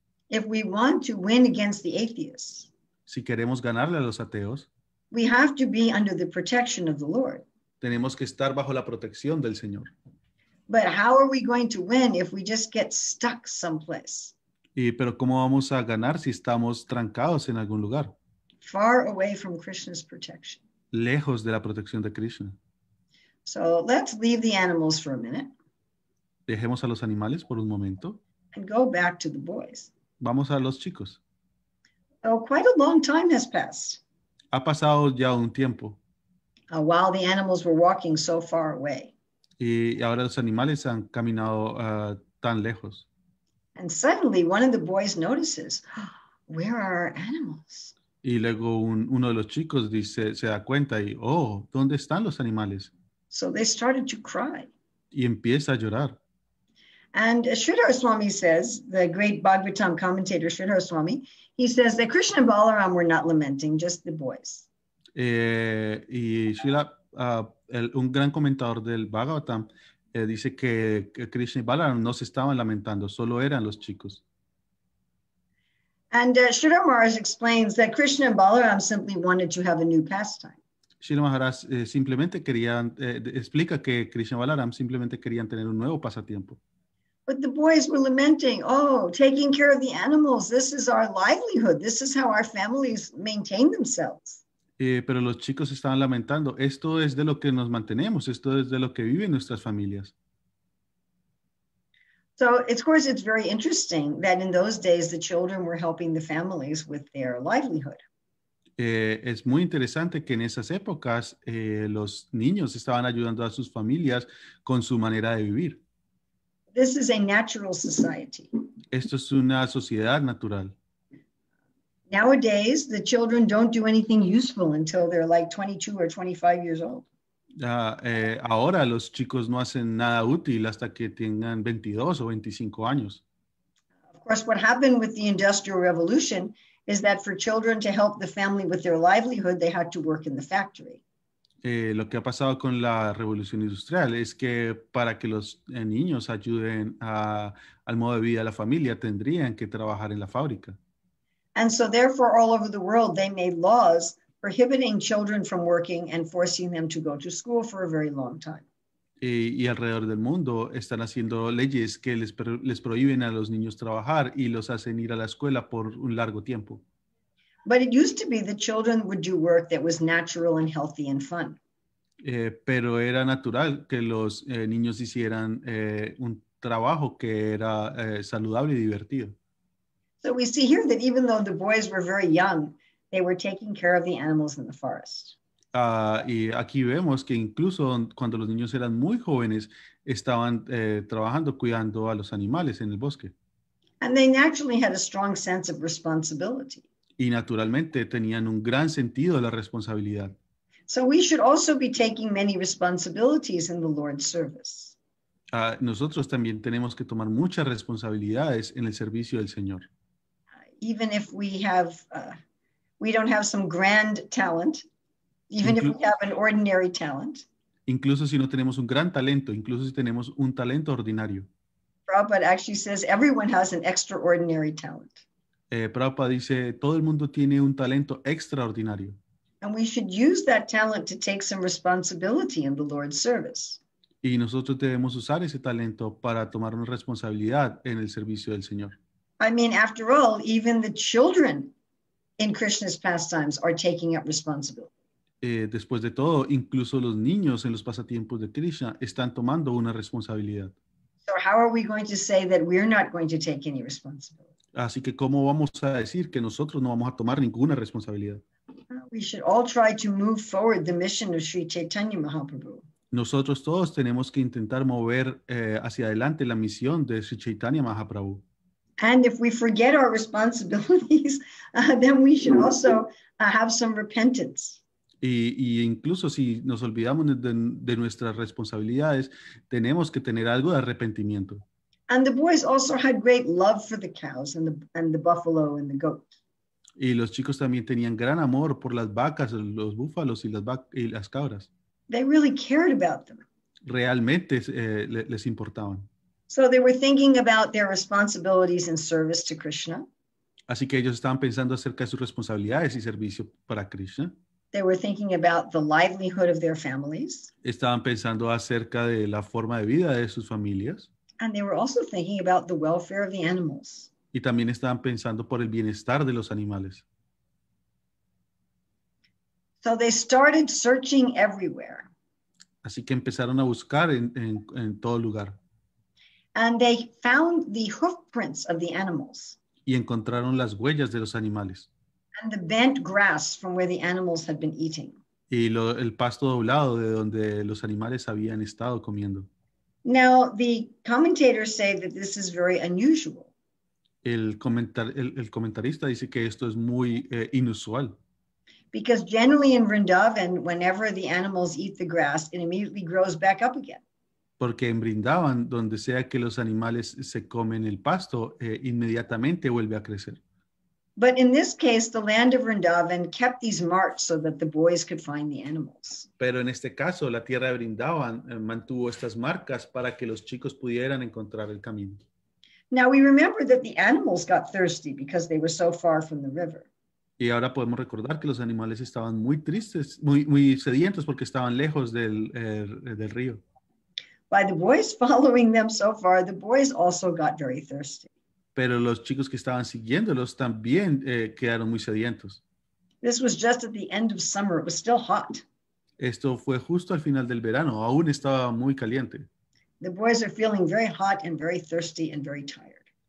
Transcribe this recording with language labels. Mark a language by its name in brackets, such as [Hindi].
[English] If we want to win against the atheists, [Spanish] si queremos ganarle a los ateos, [English] we have to be under the protection of the Lord. [Spanish] Tenemos que estar bajo la protección del Señor. [English] But how are we going to win if we just get stuck someplace? [Spanish] Y, pero ¿cómo vamos a ganar si estamos trancados en algún lugar? [English] Far away from Krishna's protection. [Spanish] Lejos de la protección de Krishna. [English] So let's leave the animals for a minute. [Spanish] Dejemos a los animales por un momento. [English] And go back to the boys. [Spanish] Vamos a los chicos. [English] So quite a long time has passed. [Spanish] Ha pasado ya un tiempo. [English] While the animals were walking so far away. [Spanish] Y ahora los animales han caminado tan lejos. [English] And suddenly one of the boys notices, oh, where are our animals? [Spanish] Y luego uno de los chicos dice, se da cuenta y, oh, ¿dónde están los animales? [English] So they started to cry. [Spanish] Y empieza a llorar. [English] And Sridhar Swami says, the great Bhagavatam commentator Sridhar Swami, he says that Krishna and Balaram were not lamenting, just the boys. [Spanish] Y Srila, un gran comentador del Bhagavatam, dice que Krishna y Balaram no se estaban lamentando, solo eran los chicos. [English] And Sridhar Maharaj explains that Krishna and Balaram simply wanted to have a new pastime. [Spanish] Srila Maharaj simplemente querían, explica que Krishna y Balaram simplemente querían tener un nuevo pasatiempo. [English] But the boys were lamenting, oh, taking care of the animals, this is our livelihood, this is how our families maintain themselves. [Spanish] Pero los chicos estaban lamentando, esto es de lo que nos mantenemos, esto es de lo que viven nuestras familias. [English] So, of course, it's very interesting that in those days the children were helping the families with their livelihood. [Spanish] Es muy interesante que en esas épocas los niños estaban ayudando a sus familias con su manera de vivir. [English] This is a natural society. [Spanish] Esto es una sociedad natural. [English] Nowadays, the children don't do anything useful until they're like 22 or 25 years old. [Spanish] Ahora los chicos no hacen nada útil hasta que tengan 22 o 25 años. [English] Of course, what happened with the Industrial Revolution is that for children to help the family with their livelihood, they had to work in the factory. [Spanish] Lo que ha pasado con la Revolución Industrial es que para que los niños ayuden al modo de vida de la familia, tendrían que trabajar en la fábrica. [English] And so therefore, all over the world, they made laws prohibiting children from working and forcing them to go to school for a very long time. [Spanish] Y alrededor del mundo están haciendo leyes que les prohíben a los niños trabajar y los hacen ir a la escuela por un largo tiempo. [English] But it used to be that children would do work that was natural and healthy and fun. [Spanish] Pero era natural que los niños hicieran un trabajo que era saludable y divertido. [English] So we see here that even though the boys were very young, they were taking care of the animals in the forest. [Spanish] Y aquí vemos que incluso cuando los niños eran muy jóvenes, estaban trabajando, cuidando a los animales en el bosque. [English] And they naturally had a strong sense of responsibility. [Spanish] Y naturalmente tenían un gran sentido de la responsabilidad. [English] So we should also be taking many responsibilities in the Lord's service. [Spanish] Nosotros también tenemos que tomar muchas responsabilidades en el servicio del Señor. [English] Even if we have, we don't have some grand talent, even if we have an ordinary talent. [Spanish] Incluso si no tenemos un gran talento, incluso si tenemos un talento ordinario. [English] Prabhupada actually says everyone has an extraordinary talent. [Spanish] Prabhupada dice, todo el mundo tiene un talento extraordinario. [English] And we should use that talent to take some responsibility in the Lord's service. [Spanish] Y nosotros debemos usar ese talento para tomar una responsabilidad en el servicio del Señor. [English] I mean, after all, even the children in Krishna's pastimes are taking up responsibility. [Spanish] Después de todo, incluso los niños en los pasatiempos de Krishna están tomando una responsabilidad. [English] So how are we going to say that we're not going to take any responsibility? [Spanish] Así que, ¿cómo vamos a decir que nosotros no vamos a tomar ninguna responsabilidad? [English] We should all try to move forward the mission of Sri Chaitanya Mahaprabhu. [Spanish] Nosotros todos tenemos que intentar mover hacia adelante la misión de Sri Chaitanya Mahaprabhu. [English] And if we forget our responsibilities, then we should also have some repentance. [Spanish] Y incluso si nos olvidamos de nuestras responsabilidades, tenemos que tener algo de arrepentimiento. [English] And the boys also had great love for the cows and the buffalo and the goat. [Spanish] Y los chicos también tenían gran amor por las vacas, los búfalos y las cabras. [English] They really cared about them. [Spanish] Realmente les importaban. [English] So they were thinking about their responsibilities in service to Krishna. [Spanish] Así que ellos estaban pensando acerca de sus responsabilidades y servicio para Krishna. [English] They were thinking about the livelihood of their families. [Spanish] Estaban pensando acerca de la forma de vida de sus familias. [English] And they were also thinking about the welfare of the animals. [Spanish] Y también estaban pensando por el bienestar de los animales. [English] So they started searching everywhere. [Spanish] Así que empezaron a buscar en todo lugar. [English] And they found the hoof prints of the animals. [Spanish] Y encontraron las huellas de los animales. [English] And the bent grass from where the animals had been eating. [Spanish] Y el pasto doblado de donde los animales habían estado comiendo. [English] Now, the commentators say that this is very unusual. [Spanish] El comentarista dice que esto es muy inusual. [English] Because generally in Vrindavan, whenever the animals eat the grass, it immediately grows back up again. [Spanish] Porque en Vrindavan, donde sea que los animales se comen el pasto, inmediatamente vuelve a crecer. [English] But in this case, the land of Vrindavan kept these marks so that the boys could find the animals. [Spanish] Pero en este caso, la tierra de Vrindavan mantuvo estas marcas para que los chicos pudieran encontrar el camino. [English] Now we remember that the animals got thirsty because they were so far from the river. [Spanish] Y ahora podemos recordar que los animales estaban muy tristes, muy sedientos porque estaban lejos del río. [English] By the boys following them so far, the boys also got very thirsty. [Spanish] Pero los chicos que estaban siguiéndolos también quedaron muy sedientos. [English] This was just at the end of summer. It was still hot. [Spanish] Esto fue justo al final del verano. Aún estaba muy caliente. [English] The boys are feeling very hot and very thirsty and very tired.